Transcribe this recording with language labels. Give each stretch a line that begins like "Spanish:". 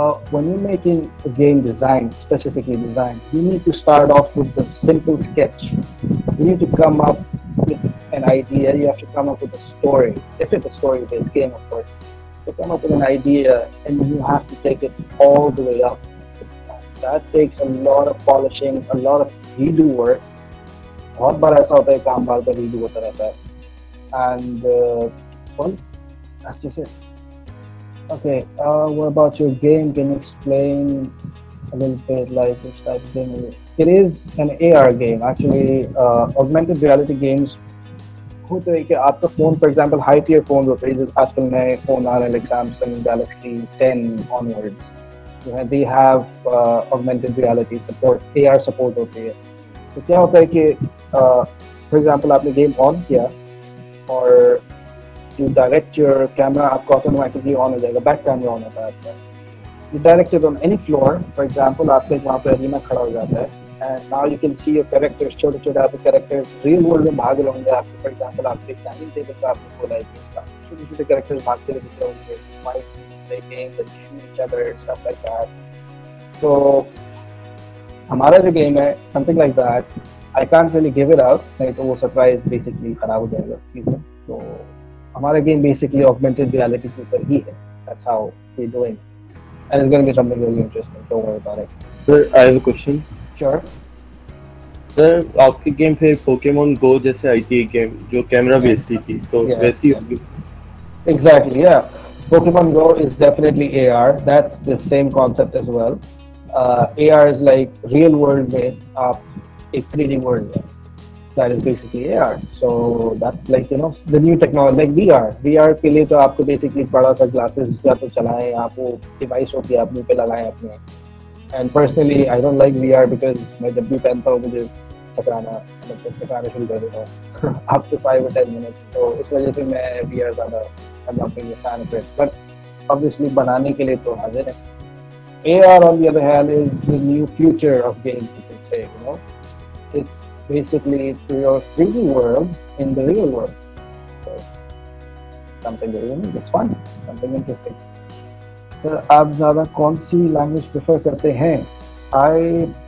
English: When you're making a game design, specifically design, you need to start off with the simple sketch. You need to come up with an idea, you have to come up with a story. If it's a story-based game, of course. to come up with an idea and you have to take it all the way up. That takes a lot of polishing, a lot of redo work.
Hindi: बहुत बार ऐसा होता है काम बार बार redo होता रहता है.
English: And well, that's just it. Okay, what about your game? Can you explain a little bit, like which type of game it is? It is an AR game, actually. Augmented reality games.
Hindi: होते हैं कि आपका phone, for example, high tier phones होते हैं. आजकल नए phone आ रहे हैं, like Samsung Galaxy 10 onwards.
English: They have augmented reality support, AR support होते हैं.
Hindi: तो क्या होता है कि, for example, आपने game on किया और you direct your camera, आपको automatically on हो जाएगा, back camera on होता है.
English: You direct it on any floor, for example, आपके जहाँ पे arena खड़ा हो जाता है.
Hindi: And now you can see your characters, छोटे छोटे आपके characters real world में भाग रहे होंगे. आपके, for example, आपके standing table पे आपने बोला है कि छोटे छोटे characters भागते रहते होंगे, fight, play games, and shoot each other, stuff like that. So, हमारा जो game है, something like that, I can't really give it out, नहीं तो वो surprise basically खराब हो जाएगा उस चीज़ में. So, हमारा game basically augmented reality के ऊपर ही है.
English: That's how we're doing. And it's going to be something really interesting. Don't worry about it. Sir, I have a question. Sure.
Hindi: Sir, आपके game फिर Pokemon Go जैसे ITA game जो camera based ही थी, तो वैसी होगी?
English: Exactly, yeah. Pokemon Go is definitely AR. That's the same concept as well. AR is like real world में आप एक 3D world में. That is basically AR. So that's like, you know, the new technology, like VR.
Hindi: VR के लिए तो आपको basically बड़ा सा glasses या तो चलाएं, आप वो device हो के आप मुंह पे लगाएं अपने. And personally, I don't like VR because मैं जब भी पहनता हूँ मुझे चकराना, मतलब चकराना शुरू कर देता हूँ up to 5 or 10 minutes. तो इस वजह से मैं VR ज़्यादा, I'm not really a fan of it. But obviously, बनाने के लिए तो हाजिर है.
English: AR, on the other hand, is the new future of games, you can say, you know. It's basically to your 3D world in the real world. So, something very unique, it's fun, something interesting.
Hindi: Sir आप ज़्यादा कौन सी language prefer करते हैं?